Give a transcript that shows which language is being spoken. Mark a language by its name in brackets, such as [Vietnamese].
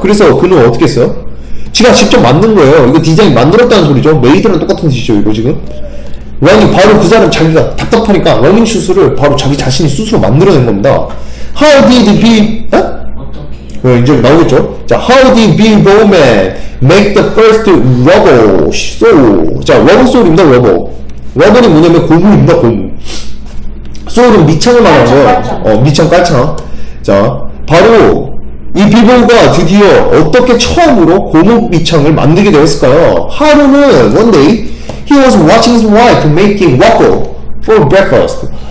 [Korean] 그래서 그는 어떻게 했어요? 지가 직접 만든 거예요. 이거 디자인 만들었다는 소리죠. 메이드랑 똑같은 짓이죠, 이거 지금. 러닝, 바로 그 사람 자기가 답답하니까 러닝 슈즈를 바로 자기 자신이 스스로 만들어낸 겁니다. [English] How did Bill, [Korean] 어떻게? 이제 나오겠죠? [English] 자, How did Bill Bowman make the first rubber sole? [Korean] 자, rubber sole입니다, rubber. rubber이 뭐냐면 고무입니다, 고무. 소울은 밑창을 말하는 거예요. 밑창 깔창. 자, 바로 이 비보가 드디어 어떻게 처음으로 고무 밑창을 만들게 되었을까요? 하루는 [English] one day he was watching his wife making waffle for breakfast.